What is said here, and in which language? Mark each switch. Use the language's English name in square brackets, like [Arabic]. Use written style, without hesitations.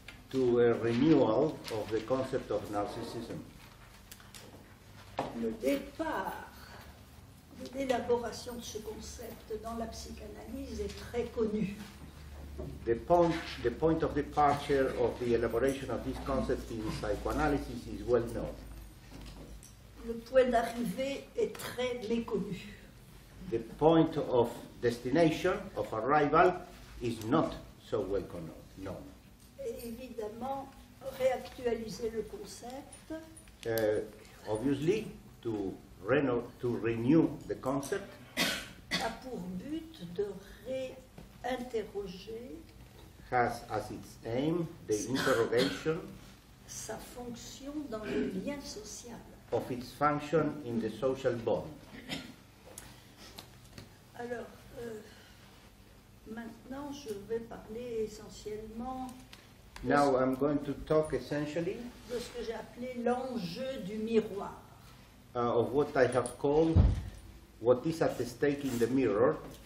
[English] To a renewal of the concept of narcissism. [French] Le départ de l'élaboration de ce concept dans la psychanalyse est très connu. [English] The point of departure of the elaboration of this concept in psychoanalysis is well known. [French] Le point d'arrivée est très méconnu. [English] The point of destination, of arrival, is not so well known. [French] Et évidemment, réactualiser le concept. [English] Obviously, to renew the concept. [French] A pour but de réinterroger. [English] Has as its aim the interrogation. [French] Sa fonction dans le lien social. [English] Of its function in the social bond. [French] Alors, maintenant je vais parler essentiellement. [English] Now I'm going to talk essentially. [French] De ce que j'ai appelé l'enjeu du miroir. [English] Of what I have called what is at the stake in the mirror.